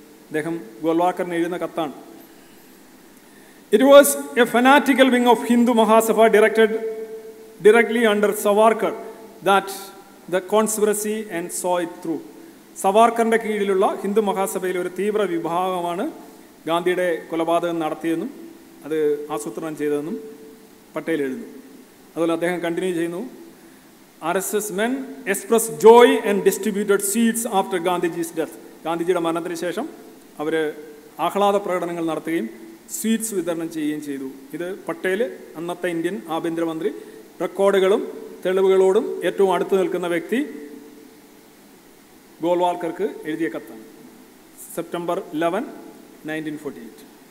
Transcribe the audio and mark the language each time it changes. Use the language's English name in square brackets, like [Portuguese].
[Malayalam] അദ്ദേഹം ഗോൾവാൾക്കറിന് എഴുതുന്ന കത്താണ്. [English] It was a fanatical wing of Hindu Mahasabha directly under Savarkar that the conspiracy and so it through. [Malayalam] സവാർക്കറിൻ്റെ കീഴിലുള്ള ഹിന്ദു മഹാസഭയിൽ ഒരു തീവ്ര വിഭാഗമാണ് ഗാന്ധിയുടെ കൊലപാതകം നടത്തിയെന്നും അത് ആസൂത്രണം ചെയ്തതെന്നും പട്ടേൽ എഴുതുന്നു. അതുപോലെ അദ്ദേഹം കണ്ടിന്യൂ ചെയ്യുന്നു, [English] RSS men expressed joy and distributed seeds after Gandhiji's death. [Malayalam] ഗാന്ധിജിയുടെ മരണത്തിന് ശേഷം അവർ ആഹ്ലാദ പ്രകടനങ്ങൾ നടത്തുകയും സ്വീറ്റ്സ് വിതരണം ചെയ്യുകയും ചെയ്തു. ഇത് പട്ടേൽ അന്നത്തെ ഇന്ത്യൻ ആഭ്യന്തരമന്ത്രി റെക്കോർഡുകളും തെളിവുകളോടും ഏറ്റവും അടുത്ത് നിൽക്കുന്ന വ്യക്തി ഗോൾവാൾക്കർക്ക് എഴുതിയ കത്താണ്, September 11, 1948.